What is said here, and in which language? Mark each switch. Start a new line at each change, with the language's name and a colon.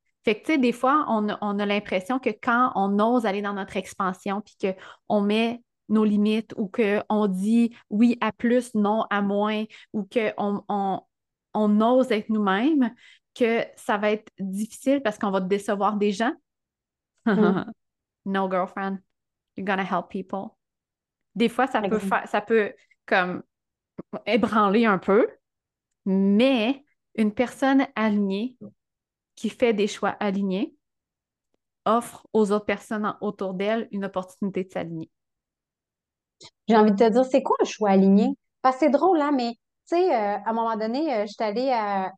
French: Fait que tu sais, des fois, on a l'impression que quand on ose aller dans notre expansion, puis qu'on met nos limites, ou qu'on dit oui à plus, non à moins, ou qu'on ose être nous-mêmes, que ça va être difficile parce qu'on va décevoir des gens.
English: No, girlfriend, you're gonna help people.
French: Des fois, Exemple. ça peut comme ébranler un peu, mais une personne alignée qui fait des choix alignés offre aux autres personnes autour d'elle une opportunité de s'aligner. J'ai envie de te dire, c'est quoi un choix aligné? Parce que c'est drôle, hein, mais tu sais, à un moment donné, j'étais allée à.